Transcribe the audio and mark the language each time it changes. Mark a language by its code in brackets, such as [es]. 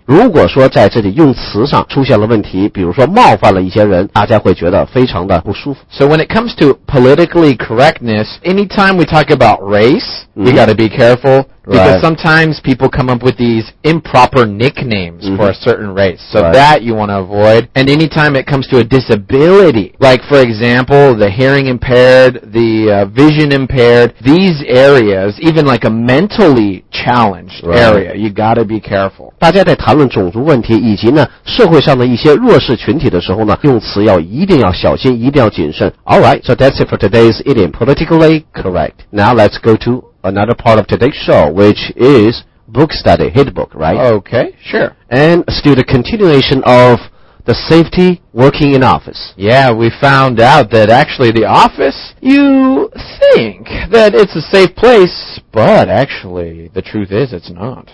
[zh] 如果说在这里用词上出现了问题，比如说冒犯了一些人，大家会觉得非常的不舒服。 [en] So when it comes to politically correctness, anytime we talk about race, you gotta be carefulBecause sometimes people come up with these improper nicknames for a certain race. So that you want to avoid. And anytime it comes to a disability, like for example, the hearing impaired, the vision impaired, these areas, even like a mentally challenged area, you got to be careful. [zh] 大家在谈论种族问题以及呢社会上的一些弱势群体的时候呢用词要一定要小心，一定要谨慎。 [en] Alright, so that's it for today's idiom, politically correct. Now let's go to... Another part of today's show, which is book study, hit book, right? Okay, sure. And still the continuation of the safety working in office. Yeah, we found out that actually the office, you think that it's a safe place, but actually the truth is it's not.